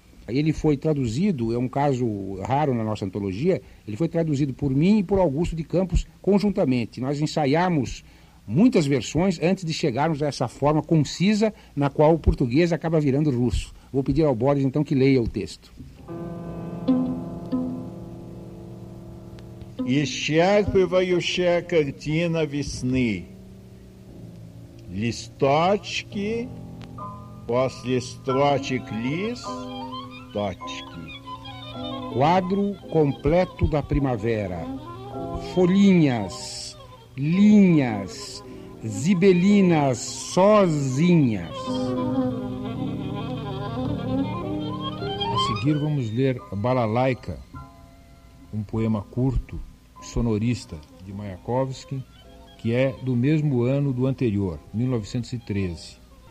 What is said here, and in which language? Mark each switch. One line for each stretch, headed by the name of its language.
Portuguese: Ele foi traduzido, é um caso raro na nossa antologia, ele foi traduzido por mim e por Augusto de Campos conjuntamente. Nós ensaiamos muitas versões antes de chegarmos a essa forma concisa na qual o português acaba virando russo. Vou pedir ao Boris, então, que leia o texto.
Russian: Исчерпывающая картина весны. Листочки, после строчек лис, точки.
Portuguese: Quadro completo da primavera. Folhinhas, linhas, zibelinas sozinhas. A seguir vamos ler a Balalaika, um poema curto, sonorista, de Mayakovsky, que é do mesmo ano do anterior, 1913.